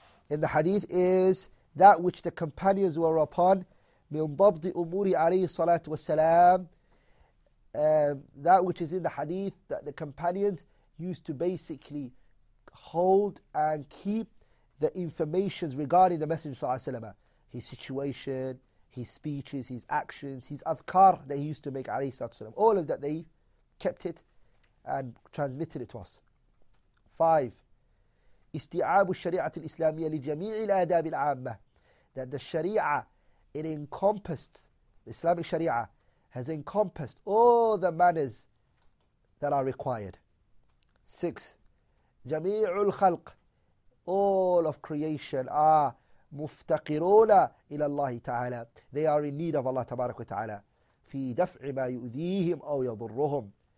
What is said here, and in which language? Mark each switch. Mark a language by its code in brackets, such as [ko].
[en] In the hadith is that which the companions were upon, [ar] min dabdi umuri alayhi salatu wasalam, [en] that which is in the hadith that the companions used to basically hold and keep the informations regarding the Messenger sallallahu alayhi wasalam, his situation, his speeches, his actions, his adhkar that he used to make alayhi salatu wasalam, all of that they kept it and transmitted it to us. 5. [ar] استيعاب الشريعة الإسلامية لجميع الآداب العامة. [en] That the Sharia, it encompassed, the Islamic Sharia has encompassed all the manners that are required. 6. [ar] جميع الخلق, [en] all of creation are [ar] مفتقرون إلى الله تعالى. [en] They are in need of Allah [ar] تبارك وتعالى. في دفع ما يؤذيهم أو يضرهم.